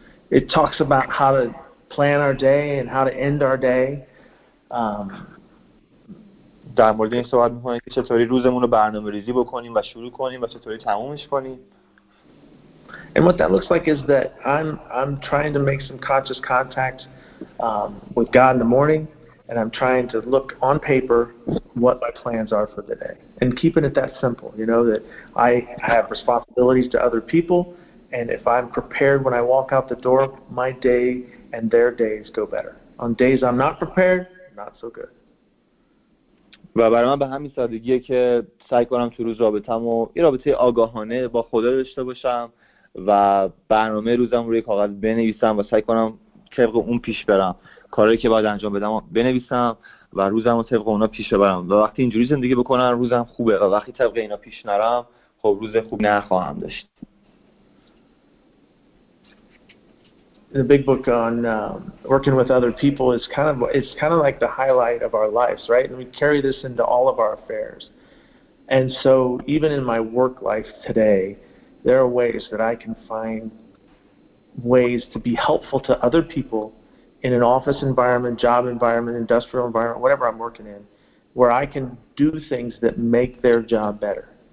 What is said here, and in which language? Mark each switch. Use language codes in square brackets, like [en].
[en] It talks about how to plan our day and how to end our day. [fa] در مورد این صحبت می‌کنه که چطوری روزمون رو برنامه‌ریزی بکنیم و شروع کنیم و چطوری تمومش کنیم. [en] And what that looks like is that I'm trying to make some conscious contact with God in the morning, and I'm trying to look on paper what my plans are for the day. And keeping it that simple, you know, that I have responsibilities to other people, and if I'm prepared when I walk out the door, my day and their days go better. On days I'm not prepared, not so good. [fa] و برای من به همین سادگیه که سعی کنم تو روز رابطم و یه رابطه آگاهانه با خدا داشته باشم و برنامه روزم روی کاغذ بنویسم و سعی کنم طبق اون پیش برم، کاری که باید انجام بدم بنویسم و روزم رو طبق اونا پیش برم، و وقتی اینجوری زندگی بکنم روزم خوبه، و وقتی طبق اینا پیش نرم خب روز خوب نخواهم داشت. [en] The big book on working with other people is kind of like the highlight of our lives, right? And we carry this into all of our affairs. And so even in my work life today, there are ways that I can find ways to be helpful to other people in an office environment, job environment, industrial environment, whatever I'm working in, where I can do things that make their job better.